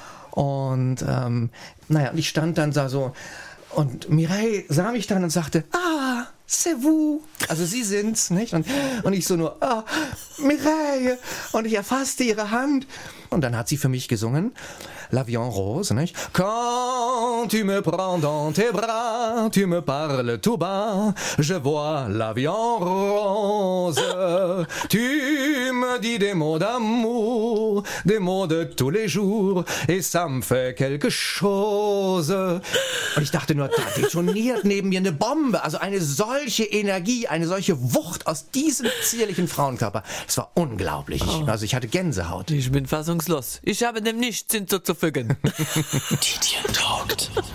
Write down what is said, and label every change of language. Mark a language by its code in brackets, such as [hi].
[de] Und ich stand dann da so und Mireille sah mich dann und sagte, [fr] ah, c'est vous. [de] Also sie sind's, nicht? Und ich so nur, ah, Mireille. Und ich erfasste ihre Hand. Und dann hat sie für mich gesungen, L'Avion Rose, nicht? [fr] Quand tu me prends dans tes bras, tu me parles tout bas, je vois l'avion rose. Tu me dis des mots d'amour, des mots de tous les jours, et ça me fait quelque chose. [de] Und ich dachte nur, da detoniert neben mir eine Bombe. Also eine solche Energie, eine solche Wucht aus diesem zierlichen Frauenkörper. Es war unglaublich. Oh. Also ich hatte Gänsehaut. Ich bin fassungslos. Ich habe dem nichts hinzuzufügen. Tietjen talkt.